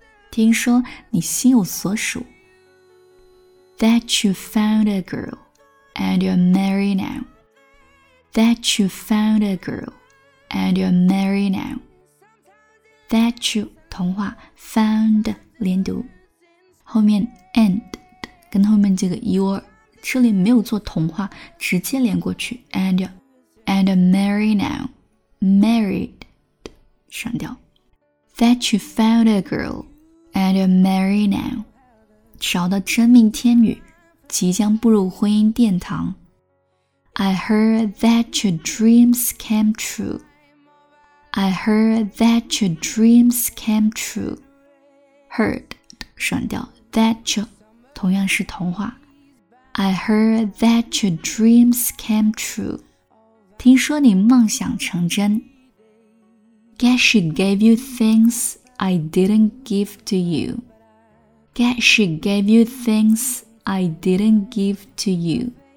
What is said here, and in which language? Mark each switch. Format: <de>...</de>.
<zh>听说你心有所属。</zh> <en>That you found a girl and you're married now. That you found a girl and you're married now. That you, 同化, found, 连读。</en> <zh>后面 and, 跟后面这个 your, 这里没有做同化，直接连过去</zh> <en>and you're,And marry now, married,</en> <zh>删掉</zh> <en>That you found a girl, and marry now,</en> <zh>找到真命天女，即将步入婚姻殿堂。</zh> <en>I heard that your dreams came true. I heard that your dreams came true.</en> <zh>Heard, 删掉</zh> <en>that your,</en> <zh>同样是童话。</zh> <en>I heard that your dreams came true.</en> <zh>听说你梦想成真。</zh> <en>Guess she gave you things I didn't give to you. Guess she gave you things I didn't give to you.</en>